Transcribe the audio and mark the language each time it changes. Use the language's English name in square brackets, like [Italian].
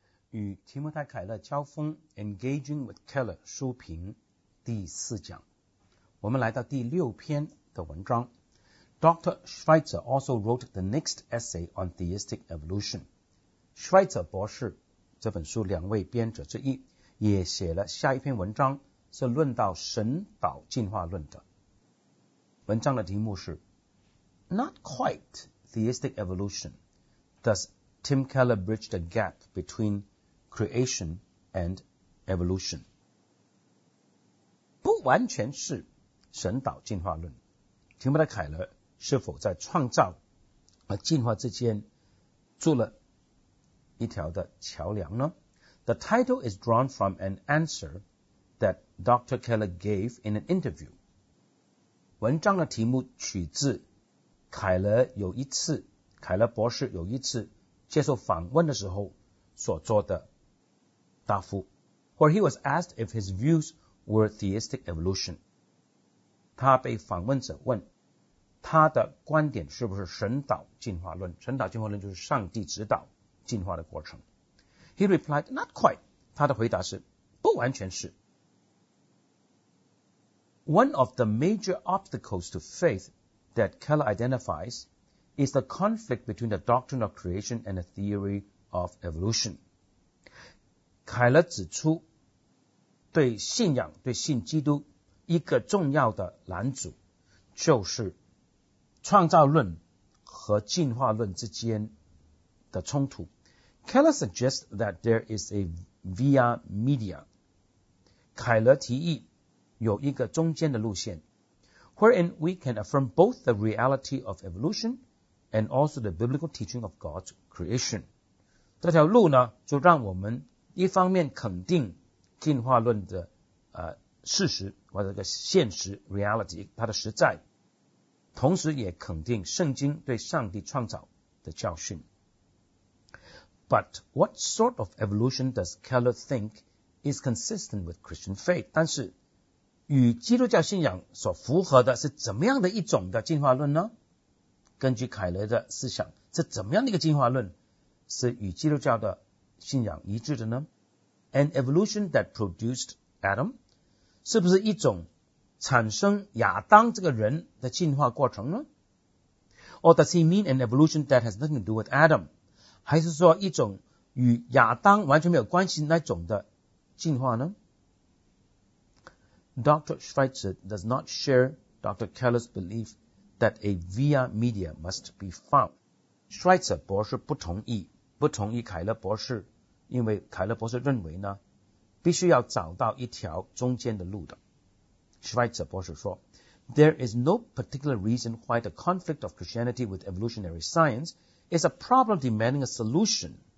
[Chinese] 与提摩太凯勒交锋 Engaging with Keller 书评第四讲，我们来到第六篇的文章。 [English] Dr. Schweitzer also wrote the next essay on theistic evolution. [Chinese] 施特博士这本书两位编者之一，也写了下一篇文章，是论到神导进化论的。文章的题目是 [English] Not quite theistic evolution. Does Tim Keller bridge the gap betweencreation and evolution. [Chinese] 不完全是神导进化论，提摩太凯勒是否在创造和进化之间做了一条的桥梁呢？ [English] The title is drawn from an answer that Dr. Keller gave in an interview. [Chinese] 文章的题目取自凯勒博士有一次接受访问的时候所做的答复， [English] where he was asked if his views were theistic evolution. [Chinese] 他被访问者问他的观点是不是神导进化论，神导进化论就是上帝指导进化的过程。 [English] He replied, not quite. [Chinese] 他的回答是不完全是。 [English] One of the major obstacles to faith that Keller identifies is the conflict between the doctrine of creation and the theory of evolution. [Chinese] 凯勒指出对信仰对信基督一个重要的拦阻，就是创造论和进化论之间的冲突。 [English] Keller suggests that there is a via media. [Chinese] 凯勒提议有一个中间的路线， [English] wherein we can affirm both the reality of evolution and also the biblical teaching of God's creation. [Chinese] 这条路呢就让我们一方面肯定进化论的事实或者个现实 reality 它的实在，同时也肯定圣经对上帝创造的教训。 [English] But what sort of evolution does Keller think is consistent with Christian faith? [Chinese] 但是与基督教信仰所符合的是怎么样的一种的进化论呢？根据凯勒的思想，是怎么样的一个进化论是与基督教的信仰一致的呢？ [English] An evolution that produced Adam? [Chinese] 是不是一种产生亚当这个人的进化过程呢？ [English] Or does he mean an evolution that has nothing to do with Adam? [Chinese] 还是说一种与亚当完全没有关系那种的进化呢？ [English] Dr. Schweitzer does not share Dr. Keller's belief that a via media must be found. [Chinese] Schweitzer 博士不同意凯勒博士，因为凯勒博士认为呢，必须要找到一条中间的路的。 [English] Schweitzer [Chinese] 博士说 [English] There is no particular reason why the conflict of Christianity with evolutionary science is a problem demanding a solution.